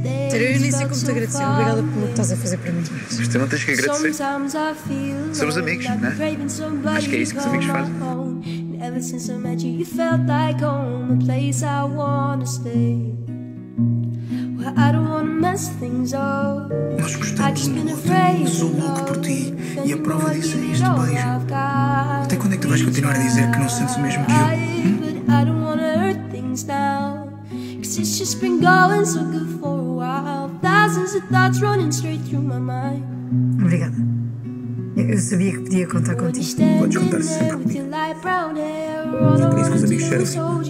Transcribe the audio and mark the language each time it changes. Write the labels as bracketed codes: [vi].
[pt] Ter o início como te agradecer. Obrigada pelo que estás a fazer para mim. Mas tu não tens que agradecer. Somos amigos, não é? Acho que é isso que os amigos fazem. [en] Ever since I met you, you felt like home, a place I wanna stay. Well, I don't wanna mess things up. [pt] Nós gostamos um do outro, eu sou louco por ti. E a prova disso é este beijo. Até quando é que tu vais continuar a dizer que não sentes o mesmo que eu? [en] But I don't wanna hurt things now, 'cause it's just been going so good for a while. Thousands of thoughts running straight through my mind. [pt] Obrigada. Eu sabia que podia contar contigo. Podes contar sempre comigo. E é por isso que os amigos servem.